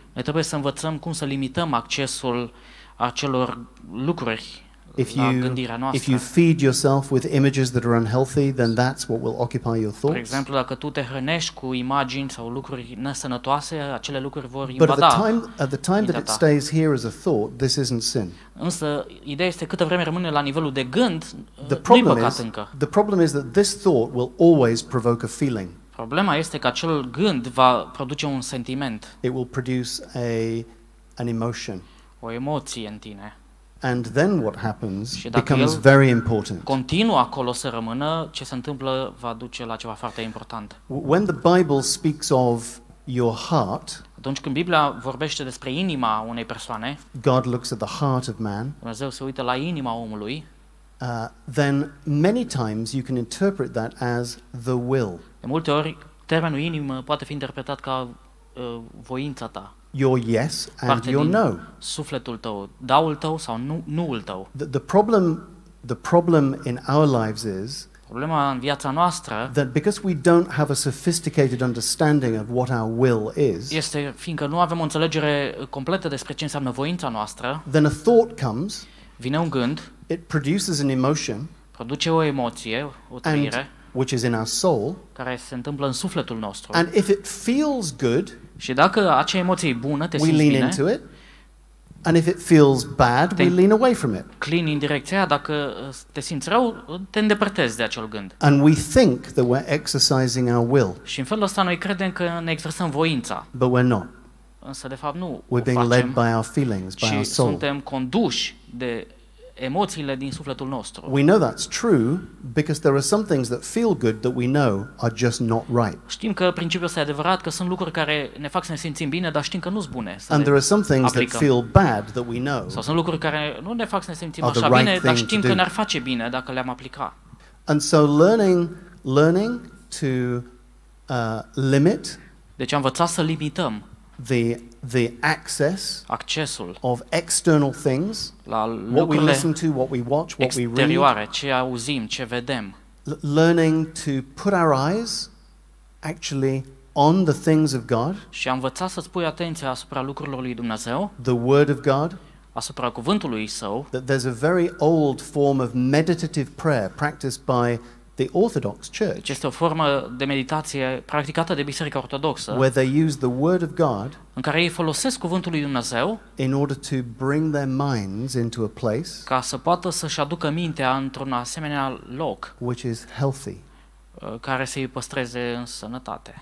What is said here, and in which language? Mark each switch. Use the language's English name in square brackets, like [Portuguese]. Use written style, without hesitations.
[Romanian] Ne trebuie să învățăm cum să limităm accesul acelor lucruri la gândirea noastră. [English] If you feed yourself with images that are unhealthy, then that's what will occupy your thoughts. [Romanian] Per exemplu, dacă tu te hrănești cu imagini sau lucruri nesănătoase, acele lucruri vor invada. [English] But at the time that it stays here as a thought, this isn't sin. [Romanian] Însă ideea este câtă vreme rămâne la nivelul de gând, nu-i păcat încă. [English] The problem is that this thought will always provoke a feeling. [Romanian] Problema este că acel gând va produce un sentiment. [English] It will produce an emotion. [Romanian] O emoție în tine. [English] And then what happens becomes very important. [Romanian] Continuă acolo să rămână, ce se întâmplă va duce la ceva foarte important. [English] When the Bible speaks of your heart, [Romanian] atunci când Biblia vorbește despre inima unei persoane, [English] God looks at the heart of man. [Romanian] Dumnezeu se uită la inima omului. [English] Then many times you can interpret that as the will. [Romanian] De multe ori termenul inimă poate fi interpretat ca voința ta. [English] Your yes and your no. [Romanian] Sufletul tău, da-ul tău sau nu-ul tău. [English] The problem in our lives is [Romanian] problema în viața noastră [English] that because we don't have a sophisticated understanding of what our will is, [Romanian] este fiindcă nu avem o înțelegere completă despre ce înseamnă voința noastră, [English] then a thought comes, [Romanian] vine un gând, [English] It produces an emotion. [Romanian] Produce o emoție, o trăire, [English] which is in our soul. [Romanian] Care se întâmplă în sufletul nostru. [English] And if it feels good, [Romanian] și dacă acea emoție e bună, te simți bine. [English] We lean into it. And if it feels bad, we lean away from it. [Romanian] Clin în direcția, dacă te simți rău, te îndepărtezi de acel gând. [English] And we think that we're exercising our will. [Romanian] Și în felul ăsta noi credem că ne exersăm voința. [English] But we're not. [Romanian] Însă de fapt nu. [English] We're being led by our feelings, by our soul. [Romanian] Suntem conduși de emoțiile din sufletul nostru. [English] We know that's true because there are some things that feel good that we know are just not right. [Romanian] Știm că principiul ăsta e adevărat, că sunt lucruri care ne fac să ne simțim bine, dar știm că nu sunt bune. [English] And there are some things that feel bad that we know. [Romanian] Sau sunt lucruri care nu ne fac să ne simțim așa bine, dar știm că ne-ar face bine dacă le-am aplica. [English] And so learning to limit. [Romanian] Deci am învățat să limităm [English] the access, [Romanian] accesul [English] of external things, [Romanian] la [English] what we listen to, what we watch, what we read, [Romanian] exterioare, ce auzim, ce vedem. [English] Learning to put our eyes actually on the things of God, [Romanian] și învățat să-ți pui atenția asupra lucrurilor lui Dumnezeu, [English] the word of God, [Romanian] asupra cuvântului său. [English] That there's a very old form of meditative prayer practiced by the Orthodox Church. [Romanian] Este o formă de meditație practicată de Biserica Ortodoxă. [English] Where they use the word of God. [Romanian] În care ei folosesc cuvântul lui Dumnezeu. [English] In order to bring their minds into a place. [Romanian] Ca să poată să-și aducă mintea într-un asemenea loc. [English] Which is healthy. [Romanian] Care să-i păstreze în sănătate.